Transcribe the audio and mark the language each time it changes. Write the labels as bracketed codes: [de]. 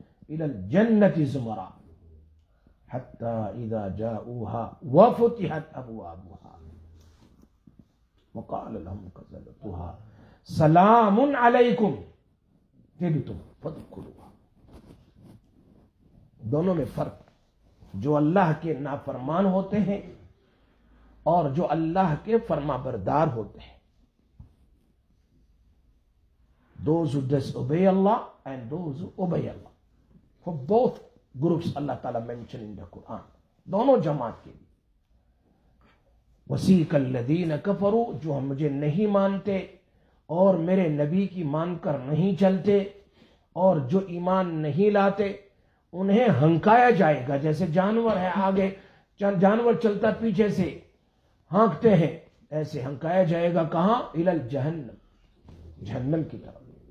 [ar] الى الجنه زمرا حتى اذا جاءوها وفتحت ابوابها وقال لهم كذبتها سلام عليكم تبتم فادخلوها. [ur] دونوں میں فرق, جو اللہ کے نافرمان ہوتے ہیں اور جو اللہ کے فرما بردار ہوتے ہیں. [en] Those who disobey Allah and those who obey Allah. For both groups Allah Ta'ala mentioned in the Quran. [ur] دونوں جماعت کے لئے. [ar] وَسِيقَ الَّذِينَ كَفَرُوا, [ur] جو ہم مجھے نہیں مانتے اور میرے نبی کی مان کر نہیں چلتے اور جو ایمان نہیں لاتے انہیں ہنکایا جائے گا, جیسے جانور ہے آگے جانور چلتا پیچھے سے ہانکتے ہیں, ایسے ہنکایا جائے گا کہاں؟ الی جہنم, جہنم کی طرف.